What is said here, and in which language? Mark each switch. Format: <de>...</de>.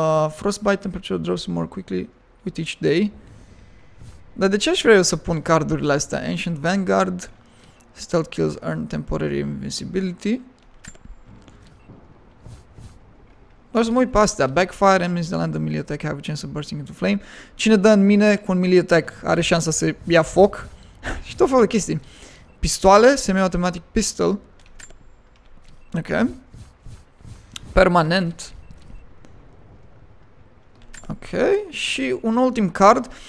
<en>Frostbite temperature drops more quickly with each day.</en> <ro>Dar de ce aș vrea eu să pun cardurile astea?</ro> <en>Ancient Vanguard. Stealth kills earn temporary invisibility.</en> <ro>Doar să mă uit pe astea.</ro> <en>Backfire, enemies that land a melee attack have a chance of bursting into flame.</en> <ro>Cine dă în mine cu un melee attack are șansa să ia foc. Și tot felul de chestii. Pistoale, semi-automatic pistol. Ok. Permanent. Ok. Și un ultim card.</ro>